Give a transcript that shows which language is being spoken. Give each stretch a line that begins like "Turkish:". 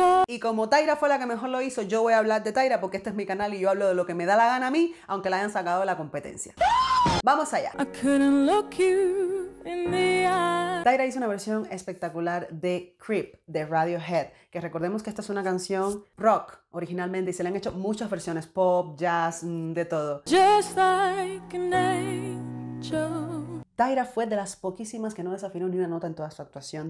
Spanish: Y como Tayra fue la que mejor lo hizo, yo voy a hablar de Tayra porque este es mi canal y yo hablo de lo que me da la gana a mí, aunque la hayan sacado de la competencia. ¡Vamos allá!
English: I couldn't look you in the eye.
Spanish: Tayra hizo una versión espectacular de Creep de Radiohead, que recordemos que esta es una canción rock originalmente y se le han hecho muchas versiones pop, jazz, de todo.
English: Just like an angel.
Spanish: Tayra fue de las poquísimas que no desafinó ni una nota en toda su actuación.